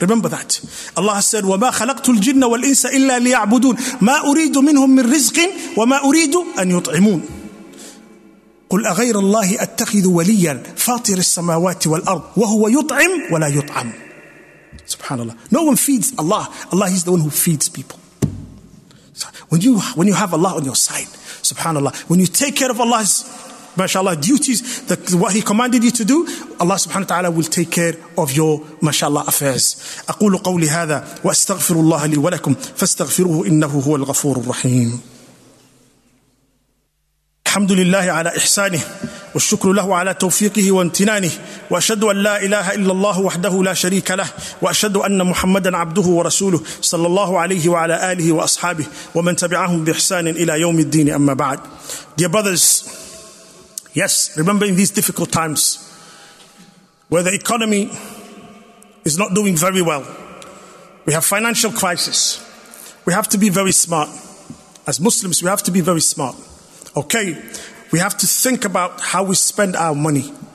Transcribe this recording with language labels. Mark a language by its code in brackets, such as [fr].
[en] Remember that. Allah said, [ar] وَمَا خَلَقْتُ الْجِنَّ وَالْإِنسَ إِلَّا لِيَعْبُدُونَ مَا أُرِيدُ مِنْهُم مِّن رِزْقٍ وَمَا أُرِيدُ أَن يُطْعِمُونَ قُلْ أَغَيْرَ اللَّهِ أَتَّخِذُ وَلِيًّا فَاطِرِ السَّمَاوَاتِ وَالْأَرْضِ وَهُوَ يُطْعِمُ وَلَا يُطْعَمُ. [en] Subhanallah. No one feeds Allah. Allah is the one who feeds people. When you have Allah on your side, subhanallah, when you take care of Allah's, mashallah, duties, what He commanded you to do, Allah subhanahu wa ta'ala will take care of your, mashallah, affairs. [ar] أقول قولي هذا وأستغفر الله لي ولكم فاستغفروه إنه هو الغفور الرحيم. الحمد لله على إحسانه والشكر له على توفيقه وامتنانه وأشهد أن لا إله إلا الله وحده لا شريك له وأشهد أن محمدا عبده ورسوله صلى الله عليه وعلى آله وأصحابه ومن تبعهم بإحسان إلى يوم الدين أما بعد. [en] Dear brothers, yes, remember in these difficult times where the economy is not doing very well. We have financial crisis. We have to be very smart. As Muslims, we have to be very smart. Okay, we have to think about how we spend our money.